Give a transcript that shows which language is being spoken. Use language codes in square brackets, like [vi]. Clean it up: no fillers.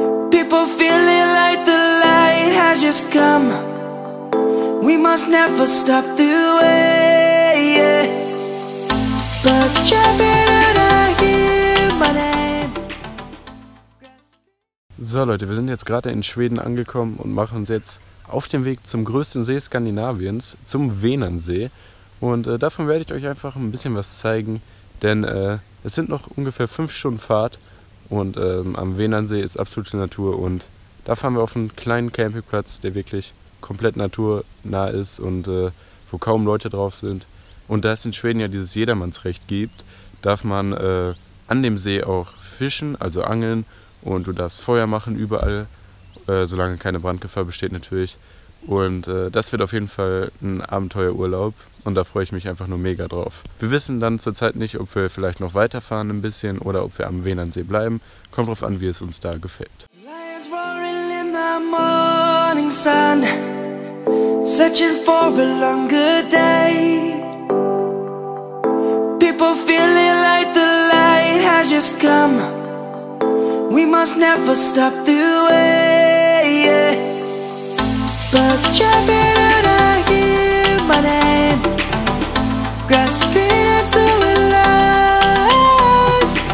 [en] People feeling like the light has just come. We must never stop the way. Birds chirping and I hear my name. [de] So Leute, wir sind jetzt gerade in Schweden angekommen und machen uns jetzt auf dem Weg zum größten See Skandinaviens, zum Vänernsee. Und davon werde ich euch einfach ein bisschen was zeigen, denn es sind noch ungefähr 5 Stunden Fahrt und am Vänernsee ist absolute Natur und da fahren wir auf einen kleinen Campingplatz, der wirklich komplett naturnah ist und wo kaum Leute drauf sind. Und da es in Schweden ja dieses Jedermannsrecht gibt, darf man an dem See auch fischen, also angeln, und du darfst Feuer machen überall. Solange keine Brandgefahr besteht natürlich. Und das wird auf jeden Fall ein Abenteuerurlaub und da freue ich mich einfach nur mega drauf. Wir wissen dann zurzeit nicht, ob wir vielleicht noch weiterfahren ein bisschen oder ob wir am Vänernsee bleiben. Kommt drauf an, wie es uns da gefällt. [en] Lions roaring in the morning sun, searching for a longer day. People feeling like the light has just come. We must never stop the way. Birds chirping and I hear my name, grasping into a life.